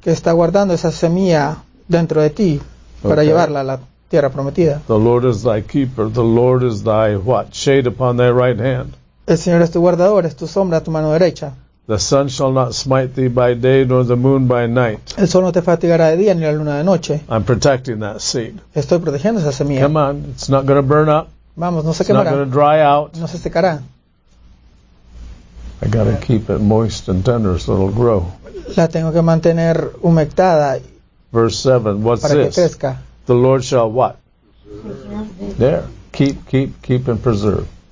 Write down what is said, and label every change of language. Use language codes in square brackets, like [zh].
[es] Que está guardando esa semilla dentro de ti para [en] okay. [es] llevarla a la tierra prometida. [en] The Lord is thy keeper. The Lord is thy what? Shade upon thy right hand. [es] El Señor es tu guardador. Es tu sombra, tu mano derecha. [en] The sun shall not smite thee by day, nor the moon by night. [es] El sol no te fatigará de día, ni la luna de noche. [en] I'm protecting that seed. [es] Estoy protegiendo esa semilla. [en] Come on, it's not going to burn up. [es] Vamos, no se [en] it's [es] quemará. [en] Not going to dry out. [es] No se secará. [en] I got to keep it moist and tender so it'll grow. [es] La tengo que mantener humectada. [en] Verse 7, what's [es] para Que crezca. [en] The Lord shall what? There. Keep, keep, keep and preserve.